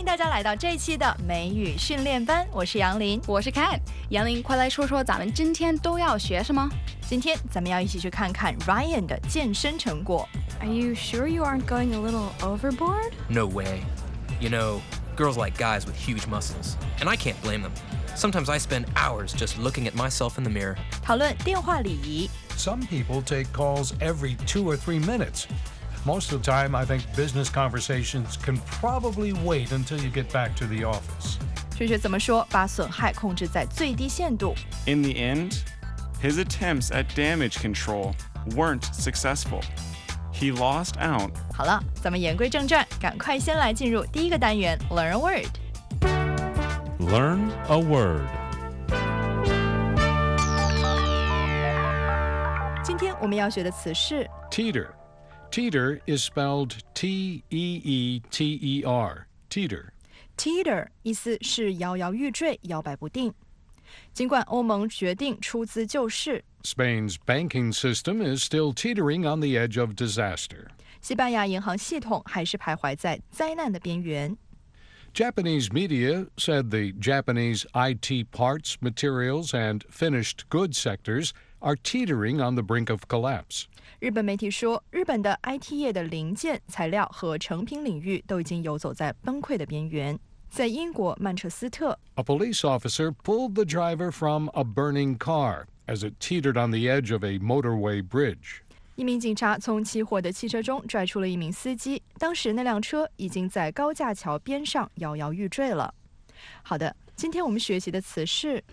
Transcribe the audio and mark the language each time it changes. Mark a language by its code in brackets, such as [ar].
[zh] 来到这一期的美语训练班，我是杨林，我是 Kat。杨林，快来说说咱们今天都要学什么。今天咱们要一起去看看 Ryan 的健身成果。 [en] Are you sure you aren't going a little overboard? No way. You know, girls like guys with huge muscles, and I can't blame them. Sometimes I spend hours just looking at myself in the mirror. [zh] 讨论电话礼仪。 [en] Some people take calls every 2 or 3 minutes. Most of the time, I think business conversations can probably wait until you get back to the office. [zh] 学学怎么说，把损害控制在最低限度。 [en] In the end, his attempts at damage control weren't successful. He lost out. [zh] 好了，咱们言归正传，赶快先来进入第一个单元 , [en] Learn a Word. Learn a Word. [zh] 今天我们要学的词是 [en] Teeter. Teeter is spelled T-E-E-T-E-R, teeter. [zh] Teeter 意思是摇摇欲坠，摇摆不定。尽管欧盟决定出资救市， [en] Spain's banking system is still teetering on the edge of disaster. [zh] 西班牙银行系统还是徘徊在灾难的边缘。 [en] Japanese media said the Japanese IT parts, materials, and finished goods sectors are teetering on the brink of collapse. [zh] 日本媒体说，日本的 IT 业的零件、材料和成品领域都已经游走在崩溃的边缘。在英国曼彻斯特， [en] A police officer pulled the driver from a burning car as it teetered on the edge of a motorway bridge. [zh] 一名警察从起火的汽车中拽出了一名司机，当时那辆车已经在高架桥边上摇摇欲坠了。好的，今天我们学习的词是